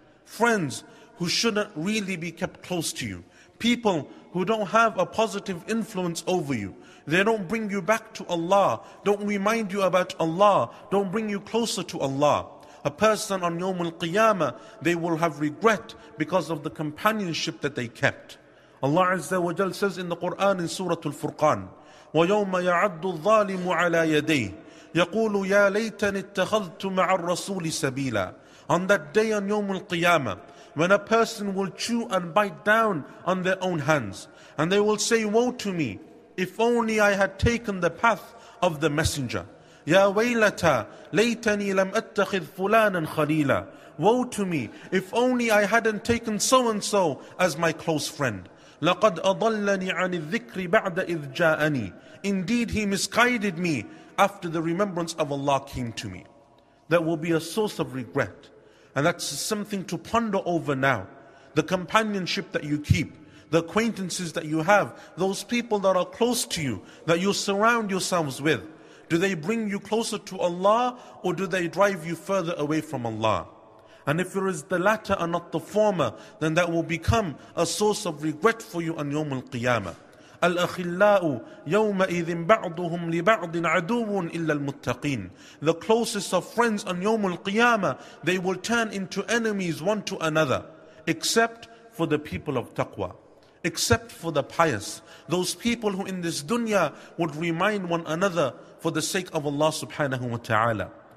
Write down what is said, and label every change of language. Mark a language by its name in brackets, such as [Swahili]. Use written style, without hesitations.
[English] Friends who shouldn't really be kept close to you. People who don't have a positive influence over you. They don't bring you back to Allah, don't remind you about Allah, don't bring you closer to Allah. A person on Yawm al-Qiyamah, they will have regret because of the companionship that they kept. Allah Azza wa Jal says in the Quran in Surah Al-Furqan, [Arabic] وَيَوْمَ يَعَدُّ الظَّالِمُ عَلَى يَدَيْهِ يَقُولُ يَا لَيْتَنِ اتَّخَذْتُ مَعَ الرَّسُولِ سَبِيلًا. [English] On that day on Yawm al-Qiyamah, when a person will chew and bite down on their own hands, and they will say, woe to me, if only I had taken the path of the messenger. [Arabic] Ya waylata, laytani lam attakhidh fulanan khalila. [English] Woe to me, if only I hadn't taken so-and-so as my close friend. [Arabic] Laqad adallani ani dhikri ba'da idh ja'ani. [English] Indeed, he misguided me after the remembrance of Allah came to me. That will be a source of regret. And that's something to ponder over now. The companionship that you keep, the acquaintances that you have, those people that are close to you, that you surround yourselves with, do they bring you closer to Allah or do they drive you further away from Allah? And if it is the latter and not the former, then that will become a source of regret for you on Yawm al-Qiyamah. [Arabic] الأخلاء يومئذ بعضهم لبعض عدو إلا المتقين. [English] The closest of friends on يوم القيامة, they will turn into enemies one to another, except for the people of taqwa, except for the pious, those people who in this dunya would remind one another for the sake of Allah subhanahu wa ta'ala.